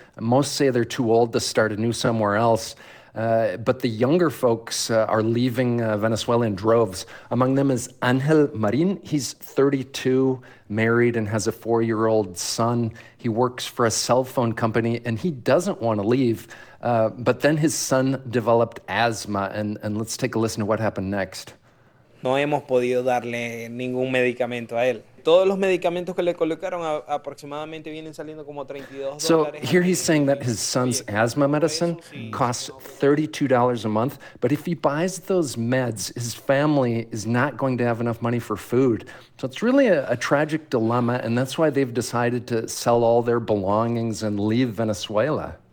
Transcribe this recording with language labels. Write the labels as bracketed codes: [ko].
[en] Most say they're too old to start anew somewhere else. But the younger folks are leaving Venezuela in droves. Among them is Angel Marin. He's 32, married, and has a 4-year-old son. He works for a cell phone company, and he doesn't want to leave. But then his son developed asthma, and let's take a listen to what happened next. [es] No hemos podido darle ningún medicamento a él. Todos los medicamentos que le colocaron aproximadamente vienen saliendo como $32. [en] So here he's saying that his son's asthma medicine costs $32 a month, but if he buys those meds, his family is not going to have enough money for food. So it's really a tragic dilemma, and that's why they've decided to sell all their belongings and leave Venezuela.